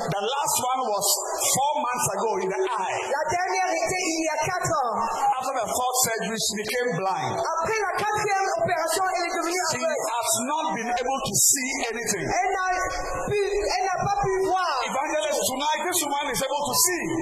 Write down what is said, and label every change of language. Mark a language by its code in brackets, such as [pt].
[en] The last one was 4 months ago in the eye. [fr] La dernière était il y a 4 ans. [en] After the fourth surgery, she became blind. [fr] Après la quatrième opération, elle est devenue aveugle. [en] She has not been able to see anything. [fr] Elle n'a pas pu voir. [en] Evangelist, tonight this woman is able to see.